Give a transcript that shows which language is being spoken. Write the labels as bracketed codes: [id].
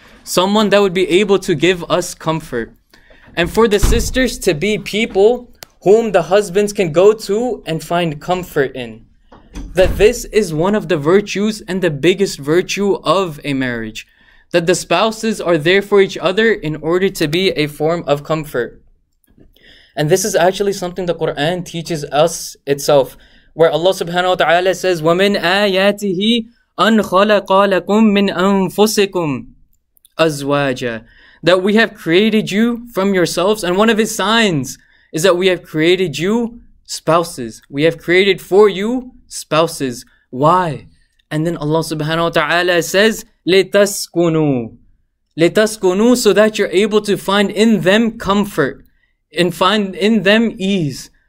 [en] Someone that would be able to give us comfort. And for the sisters to be people whom the husbands can go to and find comfort in. That this is one of the virtues and the biggest virtue of a marriage. That the spouses are there for each other in order to be a form of comfort. And this is actually something the Quran teaches us itself. Where Allah subhanahu wa ta'ala says, [ar] وَمِنْ آيَاتِهِ أَنْ خَلَقَ لَكُمْ مِنْ أَنفُسِكُمْ أَزْوَاجًا. [en] That we have created you from yourselves. And one of his signs is that we have created you spouses. We have created for you spouses. Why? And then Allah subhanahu wa ta'ala says, [ar] لِتَسْكُنُوا, [en] so that you're able to find in them comfort and find in them ease.